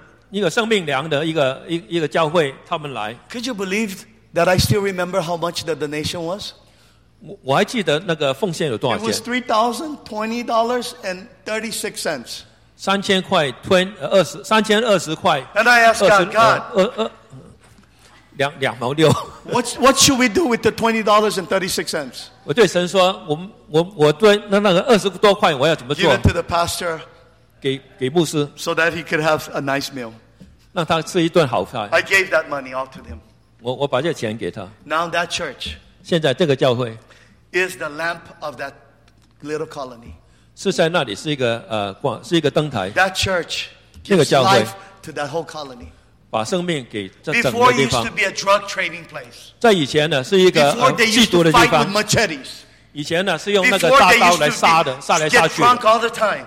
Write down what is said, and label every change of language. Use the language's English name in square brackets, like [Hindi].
[Chinese] 一个生命粮的一个教会他们来。 [English] Could you believe that I still remember how much the donation was? [Chinese] 我还记得那个奉献有多少钱。 [English] It was $3,020.36. [Chinese] 三千块, 20, 三千二十块, [English] and I asked God, [Chinese] 两毛六 [English] What should we do with the $20.36? [Chinese] 我对神说，我对那个二十多块，我要怎么做 [English] ？Give it to the pastor. [Chinese] 给牧师 [English] ，so that he could have a nice meal. [Chinese] 让他吃一顿好饭。 [English] I gave that money all to them. [Chinese] 我把这钱给他。 [English] Now that church. [Chinese] 现在这个教会 [English] is the lamp of that little colony. [Chinese] 是在那里是一个灯台。 [English] That church gives life to that whole colony. Before it used to be a drug trading place. [Chinese] 在以前呢，是一个缉毒的地方。 [English] Before they used to fight with machetes. [Chinese] 以前呢，是用那个大刀来杀的，杀来杀去的。